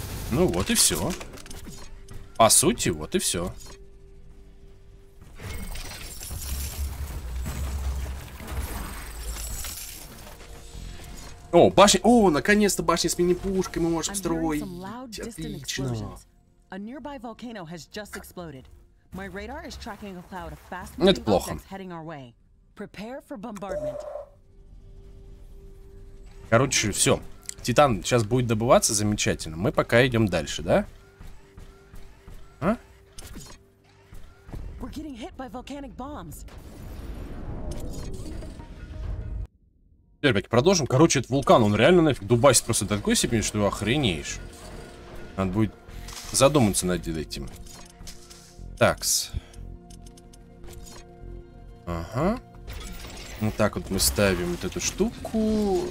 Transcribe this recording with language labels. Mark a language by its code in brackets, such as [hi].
[ru] Ну вот и все. По сути, вот и все. О, башня... О, наконец-то башня с мини-пушкой мы можем строить. Отлично. [en] A nearby volcano has just exploded. My radar is tracking a cloud of fast moving objects heading our way. Prepare for bombardment. [ru] Короче, все. Титан сейчас будет добываться замечательно. Мы пока идем дальше, да? А? [en] We're getting hit by volcanic bombs. [ru] Теперь, ребят, продолжим. Короче, это вулкан, он реально нафиг дубасит просто до такой степени, что охренеешь. Надо будет задуматься над этим. Такс. Ага. Вот так вот мы ставим вот эту штуку.